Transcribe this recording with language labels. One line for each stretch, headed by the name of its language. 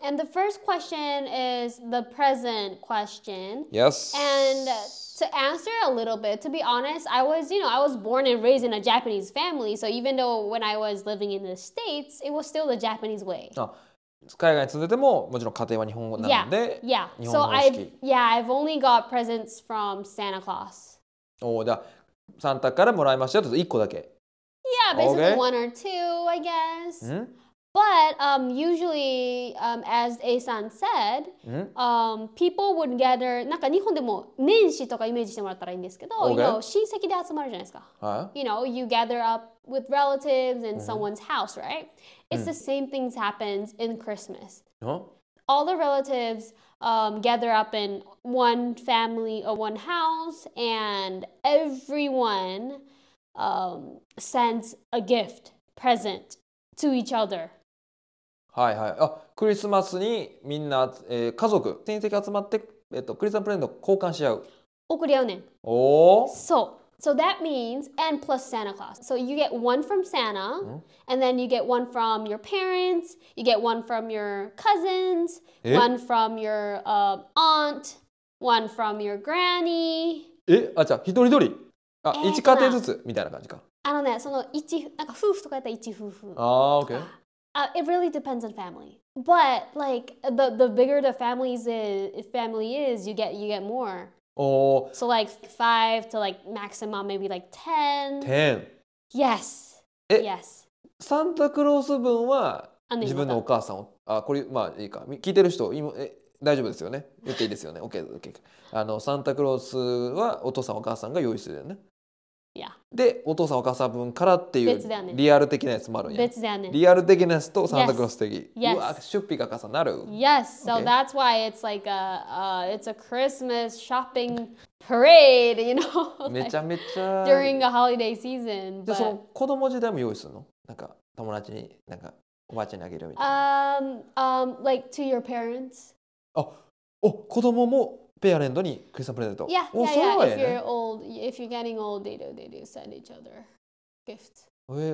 English: And the first question is the present question. Yes. And to answer a little bit, to be honest, I was born and raised in a Japanese family. So even though when I was living in the States, it was still the Japanese way. Oh.
Japanese: 海外に住んでてももちろん家庭は日本語なんで、
English: yeah, yeah.
Japanese: 日本語方式。
English: So I've only got presents from Santa Claus.
Japanese: おお、じゃあサンタからもらいましたよ。ちょっと1個だけ。
English: Yeah, basically、okay. one or two, I guess. But usually, as A-san said, people would gather.
Japanese: なんか日本でも年始とかイメージしてもらったらいいんですけど、
English: okay. you know,
Japanese: 親戚で集まるじゃないですか。
English: Uh-huh. You know, you gather up with relatives in someone's house, right? It's the same thing that happens in Christmas. All the relatives gather up in one family or one house, and everyone sends a gift, present to each other.
Japanese: はいはい。あ、クリスマスにみんな、家族、親戚集まって、クリスマスプレゼント交換し合う。送り合うねん。おお。そう。
English: So that means, and plus Santa Claus. So you get one from Santa, and then you get one from your parents, you get one from your cousins, one from your aunt, one from your granny.
Japanese: え、あ、じゃあ一人一人。あ、一家庭ずつみたいな感じか。あのね、その一、なんか夫婦とかやったら一夫婦。
English: あ、okay. It really depends on family. But like, the bigger the family is, you get more. Oh. So like 5 to like maximum maybe like 10. 10. Yes. Yes.
Japanese: Santa Claus 分は自分のお母さんを、あ、これまあいいか。聞いてる人、今、え、大丈夫ですよね。言っていいですよね。OK、OK。あの、サンタクロースはお父さんお母さんが用意するよね。
English: Yeah.
Japanese: で、お父さんお母さん分からっていうリアル的なやつもあるんや。別であんねん。リアル的なやつとサンタクロース的。
English: Yes.
Japanese: うわ、出費が重なる。
English: Yes, so、okay. that's why it's like a, it's a Christmas shopping parade, you know?
Japanese: めちゃめちゃ。
English: During a holiday season.
Japanese: じゃあ、その子供時代も用意するの？なんか友達に、なんかおばあちゃんにあげるみたいな。
English: Like to your parents.
Japanese: あ、お、子供も。ペアレンドにクリスマスプレゼント。
English: Yeah, yeah, yeah. If you're old, if you're getting old, they do send each other gifts.